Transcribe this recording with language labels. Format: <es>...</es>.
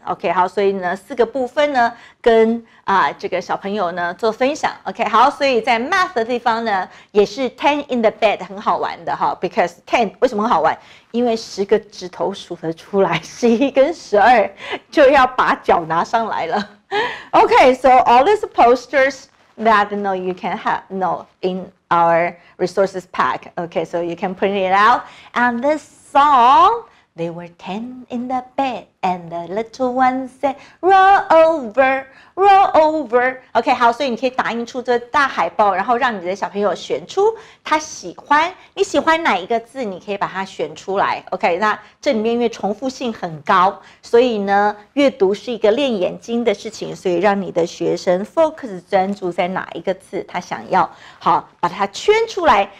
<zh>Okay, 好，所以呢，四个部分呢，跟这个小朋友呢做分享。 Okay, 好，所以在 math 的地方呢，也是 ten in the bed 很好玩的哈。 Because ten 为什么很好玩？因为十个指头数得出来，十一跟十二就要把脚拿上来了。</zh> <en>Okay, so all these posters. That no, you can have no in our resources pack. Okay, so you can print it out. And this song, they were 10 in the bed, and the little one said, "Roll over, roll over."</en> <zh>Okay, 好，所以你可以打印出这大海报，然后让你的小朋友选出他喜欢你喜欢哪一个字，你可以把它选出来。 Okay, 那这里面因为重复性很高，所以呢，阅读是一个练眼睛的事情，所以让你的学生 focus 专注在哪一个字，他想要好把它圈出来。</zh>